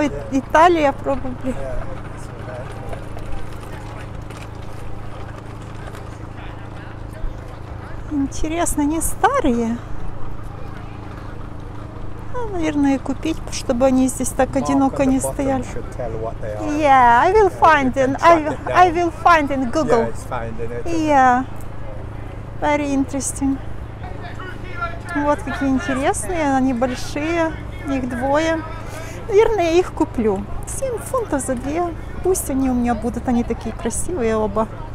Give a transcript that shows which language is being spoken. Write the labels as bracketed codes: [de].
[ru] Италия пробовали. Интересно, они старые? Ну, наверное, купить, чтобы они здесь так одиноко не стояли. [en] Yeah, I will find in Google. Yeah, very interesting. [ru] Вот какие интересные, они большие, их двое. Наверное, я их куплю. 7 фунтов за 2. Пусть они у меня будут, они такие красивые оба.